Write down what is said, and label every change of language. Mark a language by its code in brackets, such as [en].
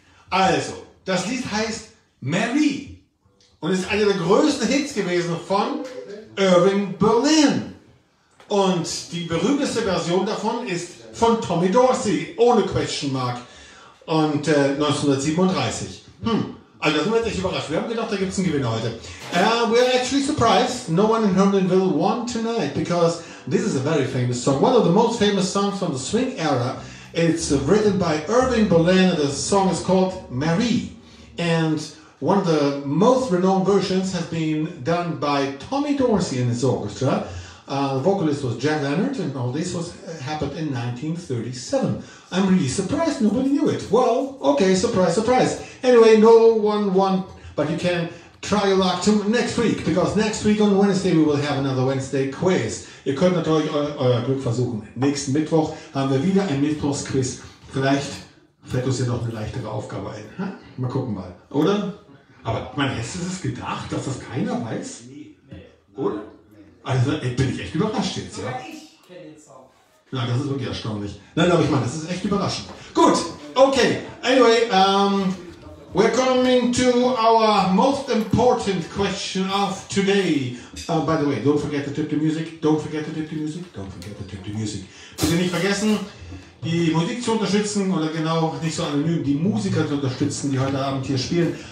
[de] Also, das Lied heißt Mary und ist einer der größten Hits gewesen von Irving Berlin. Und die berühmteste Version davon ist von Tommy Dorsey, ohne Question Mark, und 1937. Also da sind wir jetzt echt überrascht. Wir haben gedacht, da gibt es einen Gewinner heute. [en] We are actually surprised. No one in Hermanville won tonight, because this is a very famous song. One of the most famous songs from the swing era. It's written by Irving Berlin, and the song is called Marie. And one of the most renowned versions has been done by Tommy Dorsey and his orchestra. The vocalist was Jack Leonard, and all this happened in 1937. I'm really surprised nobody knew it. Well, okay, surprise, surprise. Anyway, no one won, but you can try your luck next week, because next week on Wednesday we will have another Wednesday quiz. [de] Ihr könnt natürlich euer Glück versuchen. Nächsten Mittwoch haben wir wieder ein Mittwochsquiz. Vielleicht fällt uns ja noch eine leichtere Aufgabe ein. Ha? Mal gucken mal, oder? Aber man hätte es gedacht, dass das keiner weiß? Oder? Also bin ich echt überrascht jetzt, ja? Ich kenne den Song. Nein, das ist wirklich erstaunlich. Nein, glaube ich mal, das ist echt überraschend. Gut, okay. [en] Anyway, we're coming to our most important question of today. By the way, don't forget to tip the music. Don't forget to tip the music. Don't forget to tip the music. [de] Bitte nicht vergessen, die Musik zu unterstützen, oder genau, nicht so anonym, die Musiker zu unterstützen, die heute Abend hier spielen.